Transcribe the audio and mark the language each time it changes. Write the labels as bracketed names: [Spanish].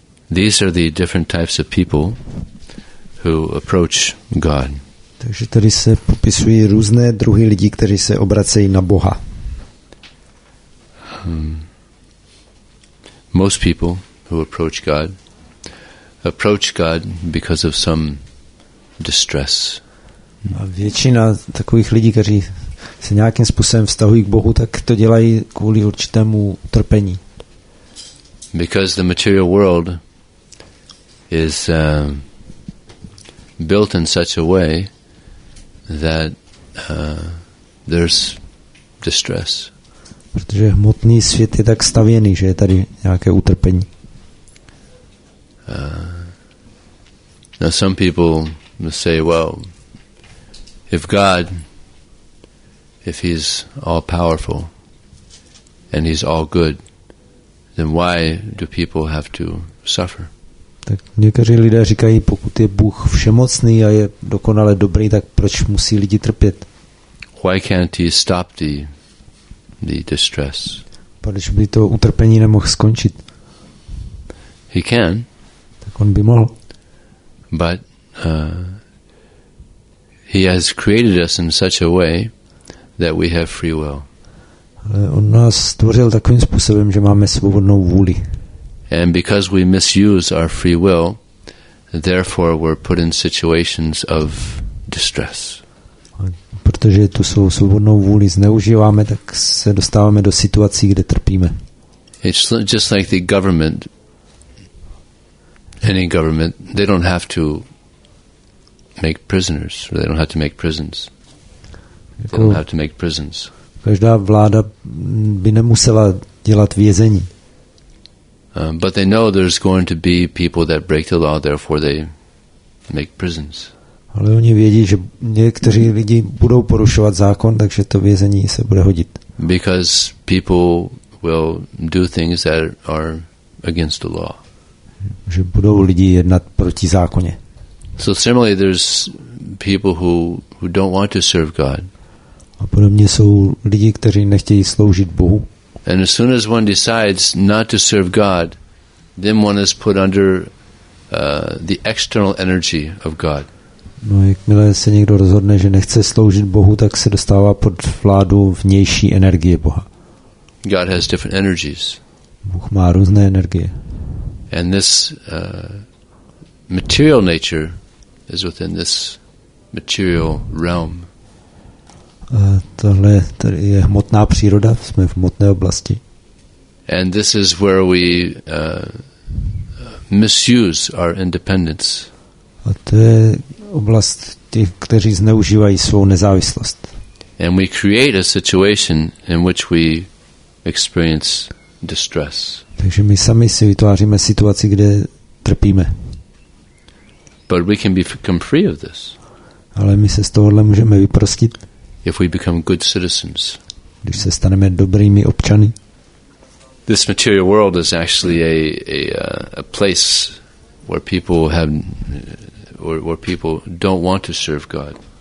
[English] These are the different types of people who approach God. [Czech] Takže tady se popisují různé druhy lidí, kteří se obracejí na Boha. [English] Most people who approach God because of some distress. [Czech] A většina takových lidí, kteří se nějakým způsobem vztahují k Bohu, tak to dělají kvůli určitému trpení. [English] Because the material world is built in such a way that there's distress. [Czech] Protože hmotný svět je tak stavěný, že je tady nějaké utrpení. [English] Now some people say, well, if God, if he's all powerful and he's all good, then why do people have to suffer? [Czech] Tak někteří lidé říkají, pokud je Bůh všemocný a je dokonale dobrý, tak proč musí lidi trpět? [English] Why can't he stop the distress? [Czech] Proč by to utrpení nemohl skončit? [English] He can. [Czech] Tak on by mohl. [English] But he has created us in such a way that we have free will. [Czech] On nás stvořil takovým způsobem, že máme svobodnou vůli. [English] And because we misuse our free will, therefore we're put in situations of distress. [Czech] Protože tu svou svobodnou vůli zneužíváme, tak se dostáváme do situací, kde trpíme. [English] It's just like the government. Any government, they don't have to make prisoners. They don't have to make prisons. They don't have to make prisons. [Czech] Každá vláda by nemusela dělat vězení. [English] But they know there's going to be people that break the law, therefore they make prisons. [Czech] Ale oni vědí, že někteří lidi budou porušovat zákon, takže to vězení se bude hodit. [English] Because people will do things that are against the law. [Czech] Že budou lidi jednat proti zákoně. [English] So similarly, there's people who don't want to serve God. [Czech] A podobně jsou lidi, kteří nechtějí sloužit Bohu. [English] And as soon as one decides not to serve God, then one is put under the external energy of God. [Czech] No, jakmile se někdo rozhodne, že nechce sloužit Bohu, tak se dostává pod vládu vnější energie Boha. [English] God has different energies. [Czech] Bůh má různé energie. [English] And this material nature is within this material realm. [Czech] Tohle tady je hmotná příroda, jsme v hmotné oblasti. [English] And this is where we misuse our independence. [Czech] A to je oblast těch, kteří zneužívají svou nezávislost. [English] And we create a situation in which we experience distress. [Czech] Takže my sami si vytváříme situaci, kde trpíme. [English] But we can become free of this. [Czech] Ale my se z tohohle můžeme vyprostit. [English] If we become good citizens. [Czech] Když se staneme dobrými občany. [English] This material world is actually a place where people have where people don't want to serve God.